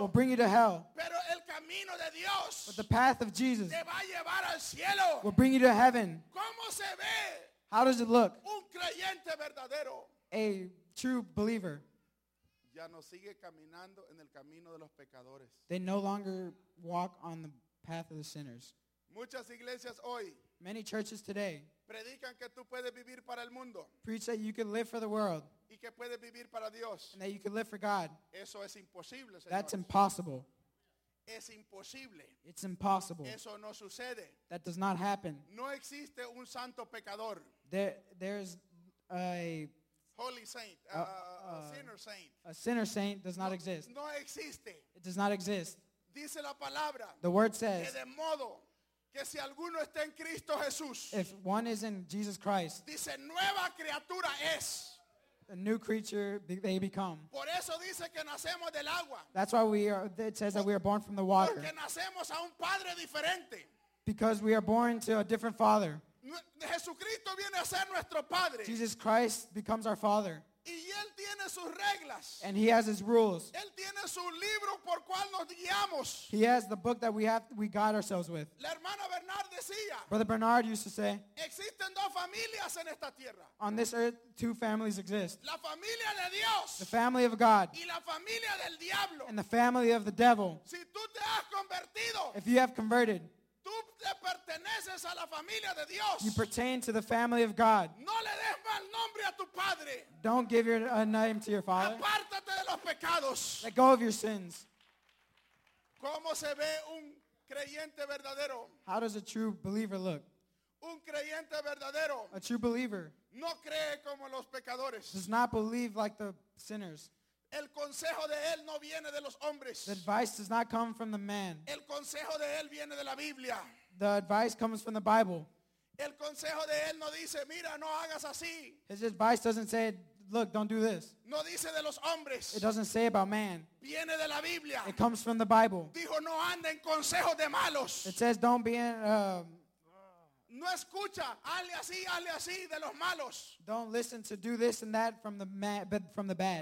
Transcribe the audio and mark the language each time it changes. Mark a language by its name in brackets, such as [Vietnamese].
[English] Will bring you to hell. [Spanish] Pero el camino de Dios. [English] But the path of Jesus [Spanish] te va a llevar al cielo. [English] Will bring you to heaven. [Spanish] ¿Cómo se ve? [English] How does it look? [Spanish] Un creyente verdadero. [English] A true believer. [Spanish] Ya no sigue caminando en el camino de los pecadores. [English] They no longer walk on the path of the sinners. [Spanish] Muchas iglesias hoy. [English] Many churches today. [Spanish] Predican que tú puedes vivir para el mundo. [English] Preach that you can live for the world. [Spanish] Y que puedes vivir para Dios. [English] And that you can live for God. [Spanish] Eso es imposible, señor. [English] That's impossible. [Spanish] Es imposible. [English] It's impossible. [Spanish] Eso no sucede. [English] That does not happen. [Spanish] No existe un santo pecador. [English] There's a holy saint, sinner saint. A sinner saint does not exist. [Spanish] No existe. [English] It does not exist. [Spanish] Dice la palabra. [English] The word says. [Spanish] Que de modo que si alguno está en Cristo Jesús. [English] If one is in Jesus Christ. [Spanish] Dice nueva criatura es. [English] A new creature they become. [Spanish] Por eso dice que nacemos del agua. [English] That's why it says that we are born from the water. [Spanish] Porque nacemos a un padre diferente. [English] Because we are born to a different father. [Spanish] Jesucristo viene a ser nuestro padre. [English] Jesus Christ becomes our father. [Spanish] Y él tiene sus reglas. [English] And he has his rules. [Spanish] Él tiene su libro por cual nos guiamos. [English] He has the book that we guide ourselves with. [Spanish] La hermana Bernard decía. [English] Brother Bernard used to say. [Spanish] Existen dos familias en esta tierra. [English] On this earth, two families exist. [Spanish] La familia de Dios. [English] The family of God. [Spanish] Y la familia del diablo. [English] And the family of the devil. [Spanish] Si tú te has convertido. [English] If you have converted. [Spanish] Tú te perteneces a la familia de Dios. [English] You pertain to the family of God. [Spanish] No le des mal nombre a tu padre. [English] Don't give a name to your father. [Spanish] Apártate de los pecados. [English] Let go of your sins. [Spanish] ¿Cómo se ve un creyente verdadero? [English] How does a true believer look? [Spanish] Un creyente verdadero. [English] A true believer. [Spanish] No cree como los pecadores. [English] Does not believe like the sinners. [Spanish] El consejo de él no viene de los hombres. [English] The advice does not come from the man. [Spanish] El consejo de él viene de la Biblia. [English] The advice comes from the Bible. [Spanish] El consejo de él no dice, mira, no hagas así. [English] His advice doesn't say, look, don't do this. [Spanish] No dice de los hombres. [English] It doesn't say about man. [Spanish] Viene de la Biblia. [English] It comes from the Bible. [Spanish] Dijo, no ande en consejos de malos. [English] It says, don't be in... [Spanish] No escucha, hazle así de los malos. [English] Don't listen to do this and that from the but from the bad.